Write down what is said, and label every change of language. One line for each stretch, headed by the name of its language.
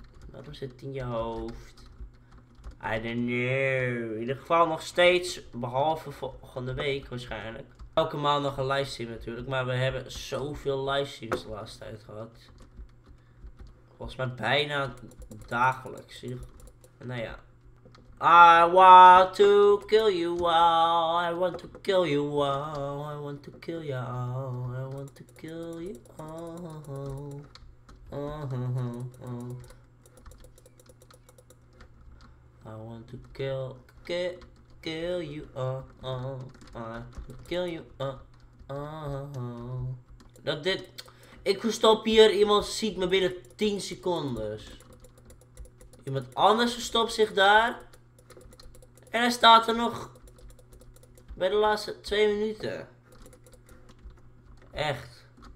Dutch: Waarom zit het in je hoofd?
English: I don't know.
Dutch: In ieder geval nog steeds. Behalve volgende week waarschijnlijk. Elke maand nog een livestream natuurlijk. Maar we hebben zoveel livestreams de laatste tijd gehad. Volgens mij bijna dagelijks. Nou ja.
English: I want to kill you all, I want to kill you all, I want to kill you all, I want to kill you all. I want to kill you all, I kill you all.
Dutch: Dat dit, ik verstop hier, iemand ziet me binnen 10 secondes. Iemand anders verstopt zich daar. En hij staat er nog bij de laatste 2 minuten. Echt.